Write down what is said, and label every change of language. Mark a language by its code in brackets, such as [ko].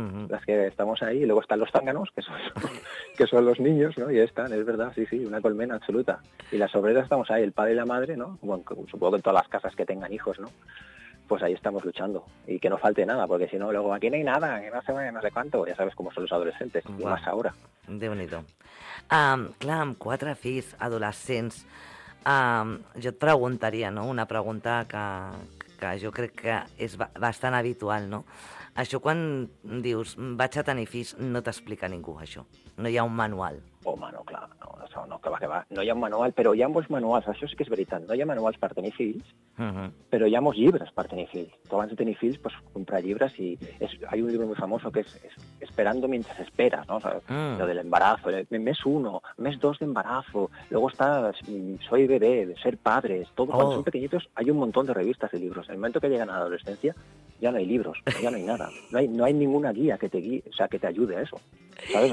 [es] Las que estamos ahí, y luego están los zánganos, que son los niños, ¿no? Y están, es verdad, sí, sí, una colmena absoluta. Y las obreras estamos ahí, el padre y la madre, ¿no? Bueno, supongo que en todas las casas que tengan hijos, ¿no? Pues ahí estamos luchando. Y que no falte nada, porque si no, luego aquí no hay nada, que no se vaya, no sé cuánto. Ya sabes cómo son los adolescentes, wow. Y más ahora. De bonito. [ca] Clar, amb quatre fills adolescents, jo et preguntaria, ¿no? Una pregunta que jo crec que és bastant habitual, no? Això quan dius, vaig a tenir fills, no t'explica ningú, això. No hi ha un manual. Home, no, clar, no, que va, que va. No hi ha un manual, però hi ha molts manuals, això sí que és veritat. No hi ha manuals per tenir fills, però hi ha molts llibres per tenir fills. Tu abans de tenir fills, pues, comprar llibres i... [es] Hay un [ca] llibre molt famós que és [es] Esperando mientras esperas, ¿no? O sea, lo del embarazo, mes uno, mes dos de embarazo, luego está Soy bebé, Ser padres, todo. Cuando son pequeñitos hay un montón de revistas y libros. En el momento que llegan a la adolescencia ya no hay libros, ya no hay nada. No hay ninguna guía que te guíe, o sea, que te ayude a eso. ¿Sabes?